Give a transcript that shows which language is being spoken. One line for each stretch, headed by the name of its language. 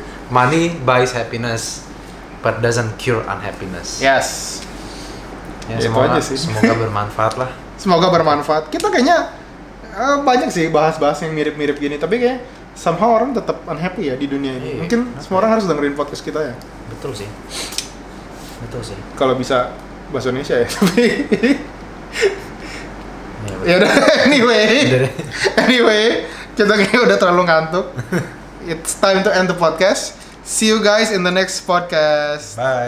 English: Money buys happiness but doesn't cure unhappiness. Yes
Indonesian: ya, semoga bermanfaat lah. Semoga bermanfaat. Kita kayaknya banyak sih bahas-bahas yang mirip-mirip gini. Tapi kayak
English: somehow
Indonesian: orang tetap
English: unhappy
Indonesian: ya di dunia ini. Mungkin semua orang harus dengerin podcast kita ya. Betul sih. Kalau bisa bahasa Indonesia ya. Tapi ya udah, anyway kita kayak udah terlalu ngantuk.
English: It's time to end the podcast. See you guys in the next podcast.